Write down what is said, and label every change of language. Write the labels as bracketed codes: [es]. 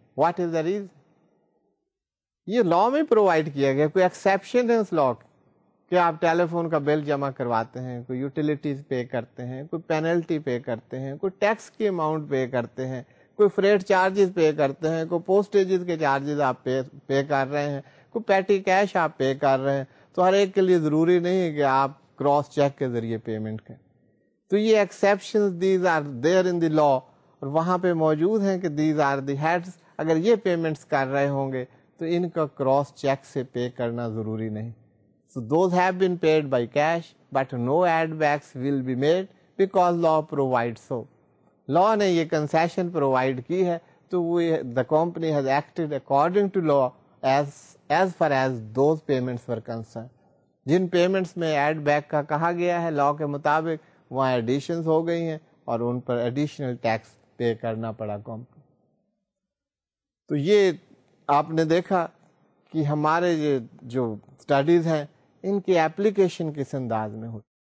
[en] What is the reason? [ur] یہ لا میں provide کیا گیا, کوئی ایکسیپشن ہے اس لا کے, کہ آپ ٹیلی فون کا بل جمع کرواتے ہیں, کوئی یوٹیلیٹیز پے کرتے ہیں, کوئی پینلٹی پے کرتے ہیں, کوئی ٹیکس کی اماؤنٹ پے کرتے ہیں, کوئی فریٹ چارجز پے کرتے ہیں, کوئی پوسٹیجز کے چارجز آپ پے کر رہے ہیں, کوئی پیٹی کیش آپ پے کر رہے ہیں, تو ہر ایک کے لیے ضروری نہیں ہے کہ آپ کراس چیک کے ذریعے پیمنٹ کریں. تو یہ exceptions [en] these are there in the law, [ur] اور وہاں پہ موجود ہیں کہ [en] these are the heads, [ur] اگر یہ پیمنٹس کر رہے ہوں گے تو ان کا کراس چیک سے پے کرنا ضروری نہیں. [en] So those have been paid by cash, but no add backs will be made because law provides so. [ur] Law نے یہ concession provide کی ہے, تو [en] the company has acted according to law as far as those payments were concerned. [ur] جن payments میں add back کا کہا گیا ہے law کے مطابق, وہاں additions ہو گئی ہیں اور ان پر additional tax pay کرنا پڑا company. تو یہ آپ نے دیکھا کہ ہمارے یہ جو اسٹڈیز ہیں, ان کی ایپلیکیشن کس انداز میں ہوتی.